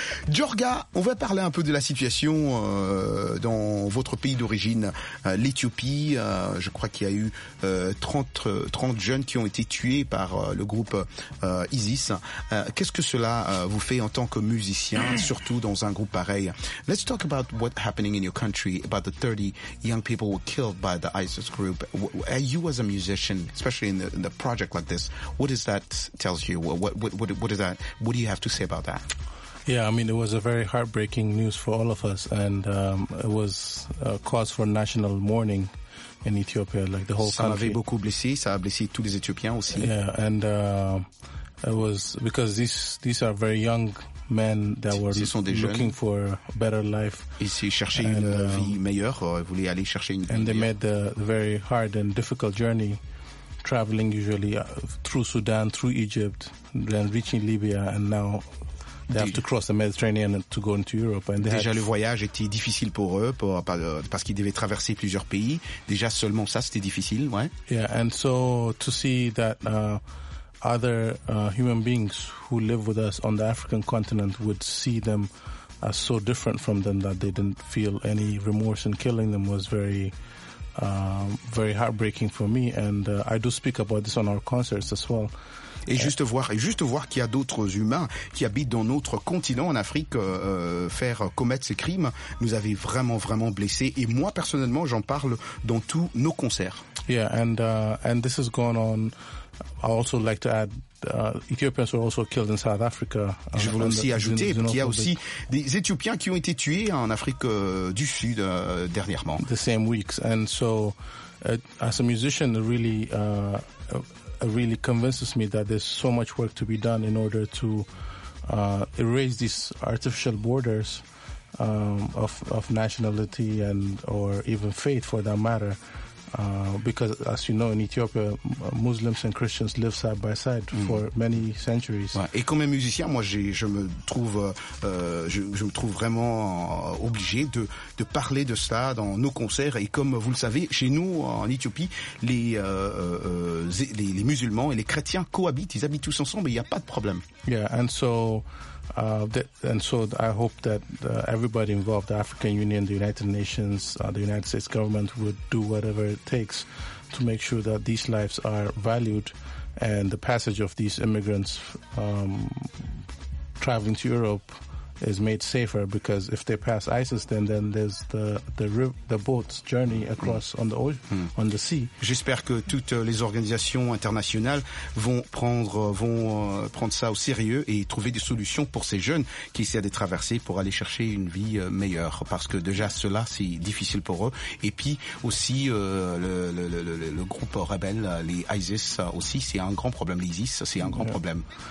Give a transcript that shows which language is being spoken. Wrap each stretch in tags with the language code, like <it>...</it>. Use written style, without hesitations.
<fr>Jorga, on va parler un peu de la situation dans votre pays d'origine, l'Éthiopie. Je crois qu'il y a eu 30 jeunes qui ont été tués par le groupe ISIS. Qu'est-ce que cela vous fait en tant que musicien, surtout dans un groupe pareil?</fr> <en>Let's talk about what happening in your country, about the 30 young people were killed by the ISIS group. You as a musician, especially in the project like this, what does that tell you? What do you have to say about that? Yeah, I mean, it was a very heartbreaking news for all of us, and it was a cause for national mourning in Ethiopia, like the whole country.</en> <fr>Ça avait beaucoup blessé, ça a blessé tous les Éthiopiens aussi.</fr> <en>Yeah, and it was because these are very young men that were looking for a better life.</en> <fr>Ils cherchaient une vie meilleure, ils voulaient aller chercher une vie meilleure.</fr> <en>And they made the very hard and difficult journey, traveling usually through Sudan, through Egypt, then reaching Libya, and now they have to cross the Mediterranean to go into Europe. And</en> <fr>déjà, le voyage était difficile pour eux, parce qu'ils devaient traverser plusieurs pays. Déjà, seulement ça, c'était difficile, ouais.</fr> <en>Yeah, and so to see that other human beings who live with us on the African continent would see them as so different from them that they didn't feel any remorse in killing them was very, very heartbreaking for me. And I do speak about this on our concerts as well.</en> <fr>Et juste voir qu'il y a d'autres humains qui habitent dans notre continent en Afrique faire commettre ces crimes nous avait vraiment vraiment blessé et moi personnellement j'en parle dans tous nos concerts.</fr> <en>Yeah, and this is going on. I also like to add Ethiopians were also killed in South Africa.</en> <fr>Je voulais aussi ajouter qu'il y a aussi des Éthiopiens qui ont été tués en Afrique du Sud dernièrement.</fr> <en>The same weeks, and so as a musician really really convinces me that there's so much work to be done in order to erase these artificial borders of nationality and or even faith for that matter. Because as you know, in Ethiopia, Muslims and Christians live side by side for many centuries.</en> <fr>Ouais. Et comme musicien, moi, je me trouve vraiment obligé de parler de cela dans nos concerts. Et comme vous le savez, chez nous, en Éthiopie, les musulmans et les chrétiens cohabitent. Ils habitent tous ensemble. Il n'y a pas de problème.</fr> <en>Yeah, and so I hope that everybody involved, the African Union, the United Nations, the United States government would do whatever it takes to make sure that these lives are valued and the passage of these immigrants traveling to Europe is made safer, because if they pass ISIS, then there's the boat's journey across on the ocean, on the sea.</en> <fr>J'espère que toutes les organisations internationales vont prendre ça au sérieux et trouver des solutions pour ces jeunes qui essaient de traverser pour aller chercher une vie meilleure, parce que déjà cela c'est difficile pour eux, et puis aussi le groupe rebelle, les ISIS aussi, c'est un grand problème, l'ISIS c'est un grand problème.</fr>